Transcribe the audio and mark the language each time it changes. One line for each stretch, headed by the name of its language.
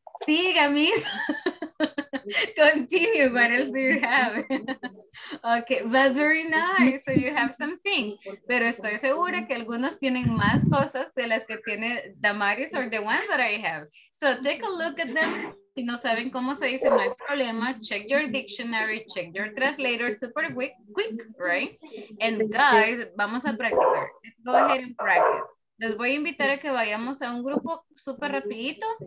Spanish: Siga, miss. Continue.
English: What else do you have? Okay, but very nice. So you have some things.
Spanish: Pero estoy segura que algunos tienen más cosas de las que tiene Damaris
English: or the ones that I have. So take a look at them.
Spanish: Si no saben cómo se dice, no hay problema.
English: Check your dictionary, check your translator, super quick, right? And guys,
Spanish: vamos a practicar.
English: Let's go ahead and practice.
Spanish: Les voy a invitar a que vayamos a un grupo súper rapidito.